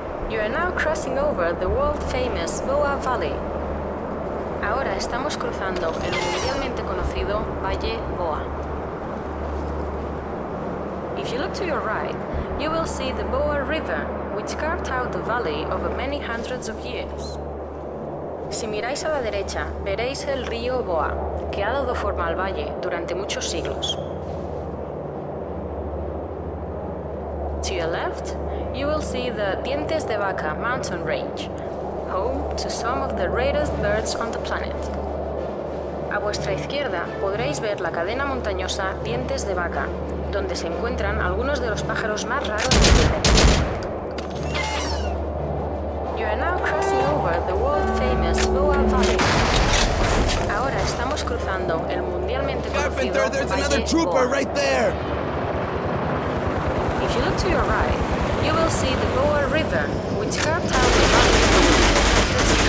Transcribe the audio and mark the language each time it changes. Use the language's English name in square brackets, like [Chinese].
[English] You are now crossing over the world-famous Boa Valley. [Spanish] Ahora estamos cruzando el mundialmente conocido Valle Boa. [English] If you look to your right, you will see the Boa River, which carved out the valley over many hundreds of years. [Spanish] Si miráis a la derecha, veréis el río Boa, que ha dado forma al valle durante muchos siglos. [English] To your left, you will see the Dientes de Vaca mountain range, home to some of the rarest birds on the planet. [Spanish] A vuestra izquierda podréis ver la cadena montañosa Dientes de Vaca, donde se encuentran algunos de los pájaros más raros del planeta. [English] You are now crossing over the world famous Boa Valley. [Spanish] Ahora estamos cruzando el mundialmente conocido Valle Boa. [English] There's another trooper right there. If you look to your right, you will see the Boa River, which carved out the valley.